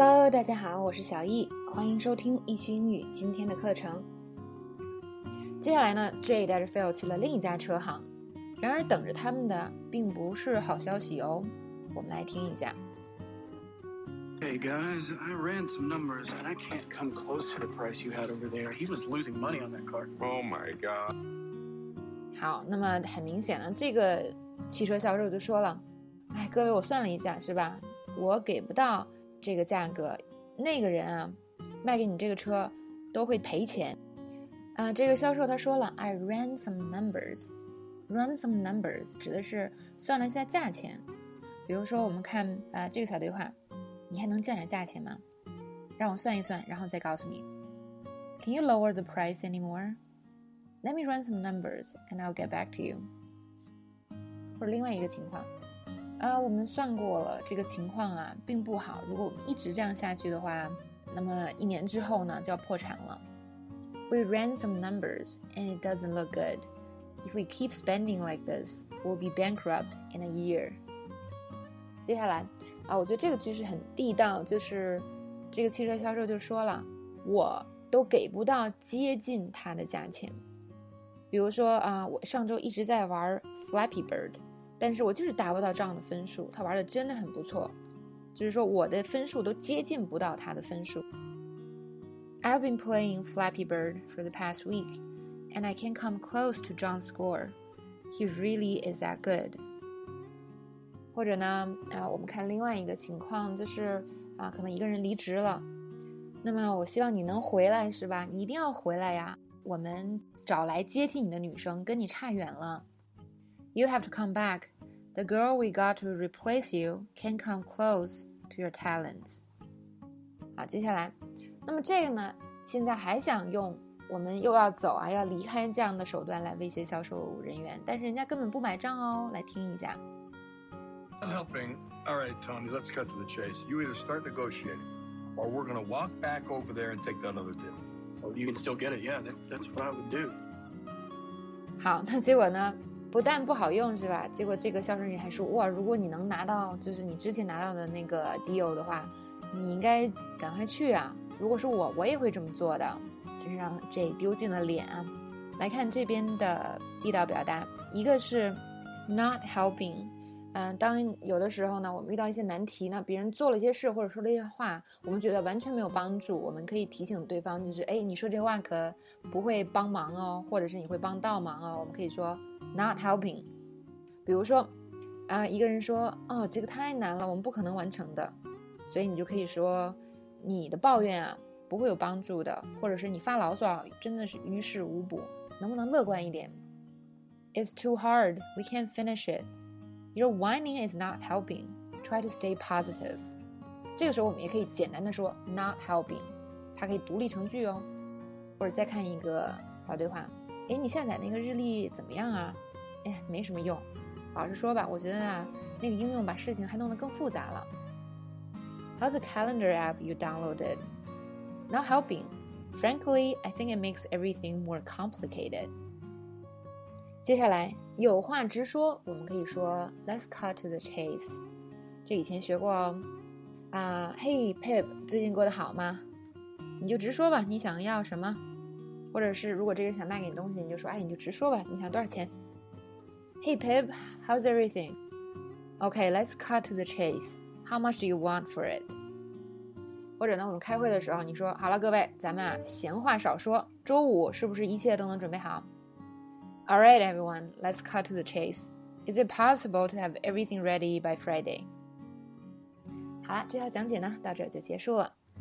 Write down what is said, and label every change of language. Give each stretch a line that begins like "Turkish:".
Chinese: 大家好，我是小易，欢迎收听易趣英语今天的课程。接下来呢 ，J 带着 Phil 去了另一家车行，然而等着他们的并不是好消息哦。我们来听一下。
English: Hey guys, I ran some numbers and I can't come close to the price you had over there. He was losing money on that car. Oh my god.
Chinese: 好，那么很明显了，这个汽车销售就说了，哎，各位，我算了一下，是吧？我给不到这个价格，那个人啊，卖给你这个车都会赔钱。啊，这个销售他说了 ，
English: I ran some numbers.
Chinese: Run some numbers 指的是算了一下价钱。比如说，我们看啊，这个小对话，你还能降点价钱吗？让我算一算，然后再告诉你。
English: Can you lower the price anymore? Let me run some numbers and I'll get back to you.
Chinese: 或者另外一个情况。我们算过了，这个情况啊并不好，如果我们一直这样下去的话，那么一年之后呢就要破产了。
English: We ran some numbers and it doesn't look good. If we keep spending like this, we'll be bankrupt in a year.
Chinese: 接下来啊，我觉得这个句式很地道，就是这个汽车销售就说了，我都给不到接近他的价钱。比如说啊，我上周一直在玩 Flappy Bird，但是我就是达不到这样的分数，他玩的真的很不错，就是说我的分数都接近不到他的分数。
English: I've been playing Flappy Bird for the past week and I can't come close to John's score. He really is that good.
Chinese: 或者呢我们看另外一个情况，就是可能一个人离职了，那么我希望你能回来，是吧？你一定要回来呀，我们找来接替你的女生跟你差远了。
English: You have to come back. The girl we got to replace you can't come close to your talents.
Chinese: 好，接下来，那么这个呢，现在还想用我们又要走啊，要离开这样的手段来威胁销售人员，但是人家根本不买账哦。来听一下。
English: I'm helping. All right, Tony, let's cut to the chase. You either start negotiating, or we're going to walk back over there and take that other deal. Oh, you can still get it. Yeah, that's what I would do.
Chinese: 好，那结果呢？不但不好用，是吧？结果这个销售人员还说，哇，如果你能拿到就是你之前拿到的那个 deal 的话，你应该赶快去啊，如果是我也会这么做的。真是让 J 丢尽了脸啊。来看这边的地道表达，一个是
English: not helping，
Chinese: 当有的时候呢我们遇到一些难题，那别人做了一些事或者说了一些话，我们觉得完全没有帮助，我们可以提醒对方，就是哎，你说这话可不会帮忙哦，或者是你会帮倒忙哦，我们可以说
English: Not helping.
Chinese: 比如说一个人说哦，这个太难了，我们不可能完成的，所以你就可以说你的抱怨啊不会有帮助的，或者是你发牢骚真的是于事无补，能不能乐观一点。
English: It's too hard. We can't finish it. Your whining is not helping. Try to stay positive.
Chinese: 这个时候我们也可以简单的说
English: not helping，
Chinese: 它可以独立成句哦。或者再看一个小对话，哎，你下载那个日历怎么样啊？哎，没什么用。老实说吧，我觉得啊，那个应用把事情还弄得更复杂了。
English: How's the calendar app you downloaded? Not helping. Frankly, I think it makes everything more complicated.
Chinese: 接下来，有话直说，我们可以说
English: Let's cut to the chase.
Chinese: 这以前学过哦。 Hey, Pip, 最近过得好吗？你就直说吧，你想要什么？或者是如果这个人想卖给你东西，你就说，哎，你就直说吧，你想多少钱。
English: Hey Pip, how's everything? Okay, let's cut to the chase. How much do you want for it?
Chinese: 或者呢，我们开会的时候你说，好了各位，咱们闲话少说，周五是不是一切都能准备好？
English: Alright everyone, let's cut to the chase. Is it possible to have everything ready by Friday?
Chinese: 好了，这条讲解呢到这就结束了。